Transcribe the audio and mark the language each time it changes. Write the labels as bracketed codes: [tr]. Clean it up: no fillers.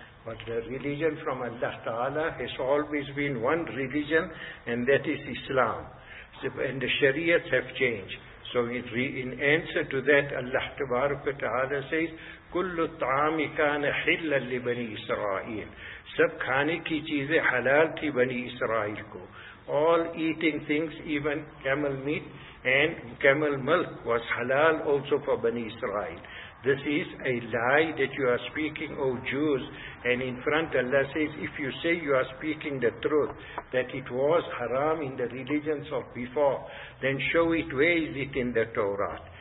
[en] But the religion from Allah Ta'ala has always been one religion, and that is Islam. And the Shariats have changed. So in answer to that, Allah Ta'ala says, [ar] كُلُّ الطَّعَامِ كَانَ حِلًّا لِبَنِي إِسْرَائِيلِ. [ur] سب کھانے کی چیزیں حلال تھی بنی اسرائیل کو. [en] All eating things, even camel meat and camel milk, was halal also for Bani Israel. This is a lie that you are speaking, O Jews. And in front Allah says, if you say you are speaking the truth, that it was haram in the religions of before, then show it, where is it in the Torah?